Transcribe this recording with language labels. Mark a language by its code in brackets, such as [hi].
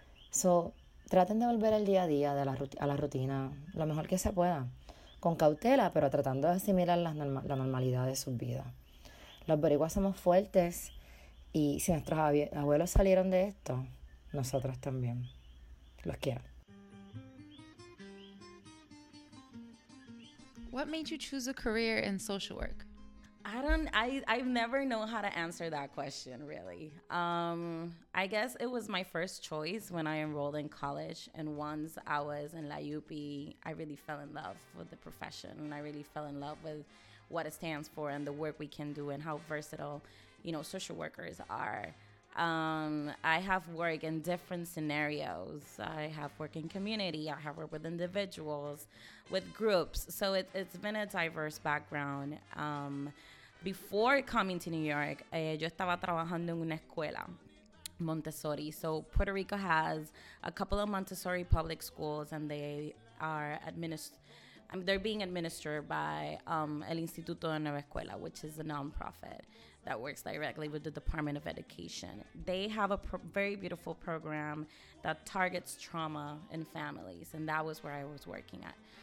[es] So, traten de volver al día a día, a la rutina, lo mejor que se pueda. Con cautela, pero tratando de asimilar la normalidad de sus vidas. Los boricuas somos fuertes. Y si nuestros abuelos salieron de esto, nosotros también. Los quiero. [en] What made you choose a career in social work? I've never known how to answer that question, really. I guess it was my first choice when I enrolled in college. And once I was in La UPI, I really fell in love with the profession, and I really fell in love with what it stands for and the work we can do and how versatile, social workers are. I have worked in different scenarios. I have worked in community, I have worked with individuals, with groups. So it's been a diverse background. Before coming to New York, [es] yo estaba trabajando en una escuela Montessori. [en] So Puerto Rico has a couple of Montessori public schools, and they are administered, I mean, they're being administered by El Instituto de Nueva Escuela, which is a nonprofit that works directly with the Department of Education. They have a very beautiful program that targets trauma in families, and that was where I was working at.